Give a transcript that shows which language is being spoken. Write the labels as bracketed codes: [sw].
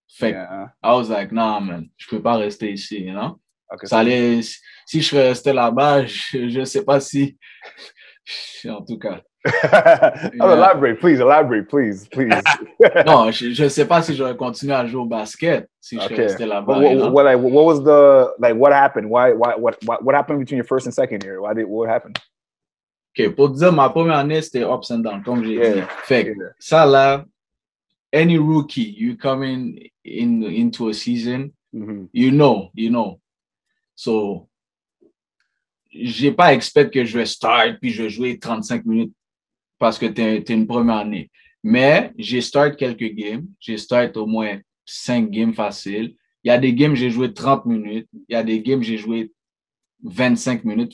[en] I was like, nah, man, [fr] je peux pas rester ici, [en] you know? Okay. [fr] Ça allait, si je serais resté là-bas, je sais pas si, en tout cas. [en] elaborate, please. [fr] Non, je sais pas si j'aurais continué à jouer au basket si je serais resté là-bas. [en] But what happened? What happened between your first and second year? What happened? [fr] OK, pour dire, ma première année, c'était [en] ups and downs, [fr] comme j'ai dit. Fait ça là, [en] any rookie, you come into a season, you know. [fr] So, j'ai pas expect que je vais start puis je vais jouer 35 minutes parce que t'es une première année. Mais j'ai start quelques games. J'ai start au moins 5 games faciles. Il y a des games, j'ai joué 30 minutes. Il y a des games, j'ai joué 25 minutes.